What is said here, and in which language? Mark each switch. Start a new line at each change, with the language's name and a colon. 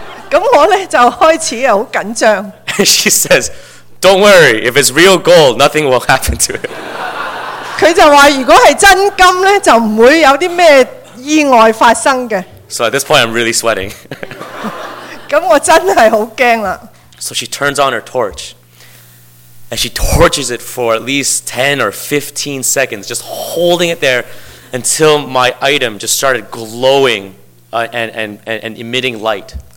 Cantonese: 咁我咧就開始啊好緊張。
English: And she says, "Don't worry, if it's real gold, nothing will happen to it."
Cantonese: 佢就話：如果係真金咧，就唔會有啲咩意外發生嘅。
English: So at this point, I'm really sweating.
Cantonese: 咁我真係好驚啦。
English: So she turns on her torch, and she torches it for at least 10 or 15 seconds, just holding it there until my item just started glowing, and emitting light.